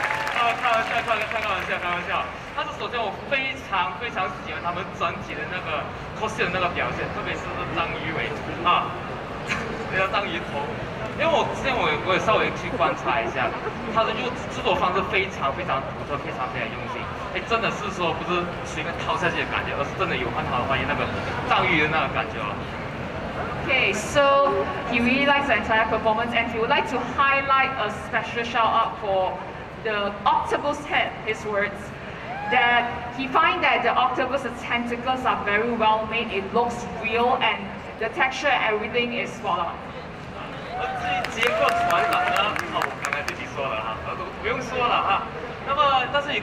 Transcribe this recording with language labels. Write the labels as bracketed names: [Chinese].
[Chinese] 开玩笑。但是首先我非常喜欢他们整体的那个 cosplay 的那个表现，特别是章鱼尾，那个章鱼头，因为我之前我也稍微去观察一下，他的制作方式非常独特，非常用心。哎，真的是说不是随便套下去的感觉，而是真的有换好的话，那个章鱼的那个感觉哦。Okay, [English] so he really likes the entire performance, and he would like to highlight a special shout out for the octopus head. His words that he find that the octopus tentacles are very well made. It looks real, and the texture and everything is spot on. [Chinese] 至于结构传感呢，我刚才自己说了哈，不用说了哈。